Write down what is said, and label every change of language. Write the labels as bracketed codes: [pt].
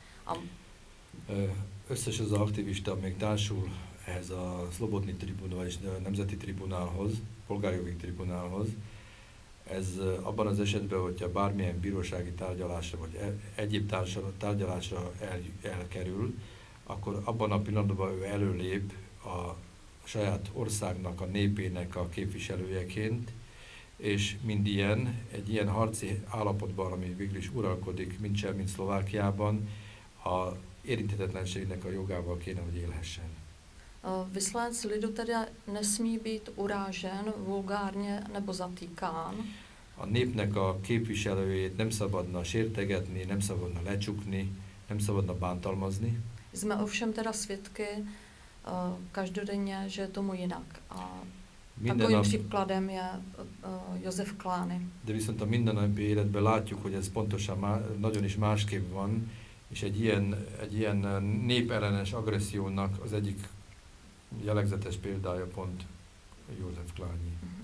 [hu] A Összes az aktivista megtársul ehhez a szlobodni tribunálhoz, nemzeti tribunálhoz, polgárjogi tribunálhoz. Ez abban az esetben, hogyha bármilyen bírósági tárgyalásra vagy egyéb tárgyalásra elkerül, akkor abban a pillanatban ő előlép a saját országnak, a népének a képviselőjeként, és mind ilyen, egy ilyen harci állapotban, ami végül is uralkodik, mint Szlovákiában, a érintetlenségnek a jogával kéne, hogy élhessen. [cs] Vyslanec lidu tedy nesmí být urážen vulgárně nebo zatýkán. [hu] A népnek a képviselőjét nem szabadna sértegetni, nem szabadna lecsukni, nem szabadna bántalmazni. [cs] Jsme ovšem teda svědky každodenně, že je tomu jinak. A minden takovým příkladem je Josef Klány. [hu] De viszont a mindennapi életben látjuk, hogy ez pontosan nagyon is másképp van, és egy ilyen népellenes agressziónak az egyik jellegzetes példája pont József Klányi.